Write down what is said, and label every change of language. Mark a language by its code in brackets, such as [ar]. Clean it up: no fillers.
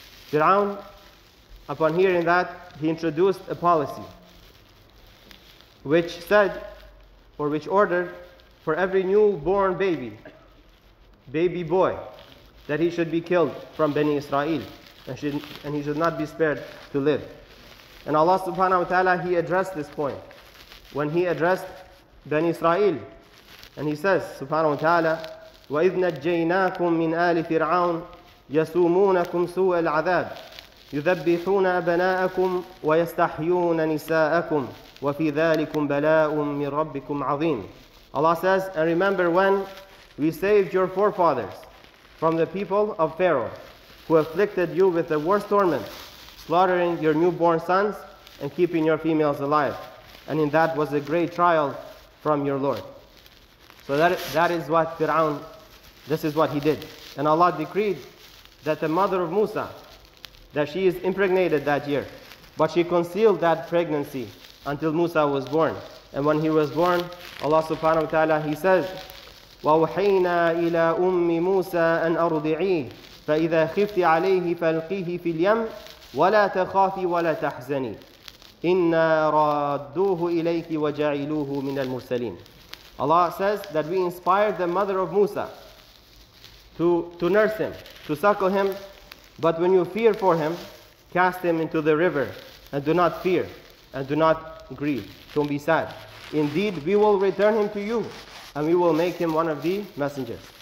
[en] Fir'aun, upon hearing that, he introduced a policy which said, or which ordered, for every newborn baby boy, that he should be killed from Bani Israel, and he should not be spared to live. And Allah subhanahu wa ta'ala, he addressed this point when he addressed Bani Israel. And he says, [ar] subhanahu wa ta'ala, وَإِذْ نَجَّيْنَاكُمْ مِنْ آلِ فِرْعَوْنَ يَسُومُونَكُمْ سُوءَ الْعَذَابِ يُذَبِّحُونَ أَبْنَاءَكُمْ وَيَسْتَحْيُونَ نِسَاءَكُمْ وَفِي ذَلِكُمْ بَلَاءٌ مِنْ رَبِّكُمْ عَظِيمٌ. [en] Allah says, and remember when we saved your forefathers from the people of Pharaoh, who afflicted you with the worst torment, slaughtering your newborn sons and keeping your females alive. And in that was a great trial from your Lord. So that is what Fir'aun, this is what he did. And Allah decreed that the mother of Musa, that she is impregnated that year, but she concealed that pregnancy until Musa was born. And when he was born, Allah subhanahu wa ta'ala, he says, [ar] ووحينا إلى أم موسى أن أرضعيه فإذا خفت عليه فألقيه في اليم ولا تخافي ولا تحزني إنا رادوه إليك وجعلوه من المرسلين. [en] Allah says that we inspired the mother of Musa to nurse him, to suckle him, but when you fear for him, cast him into the river and do not fear and do not grieve. Don't be sad. Indeed, we will return him to you and we will make him one of the messengers.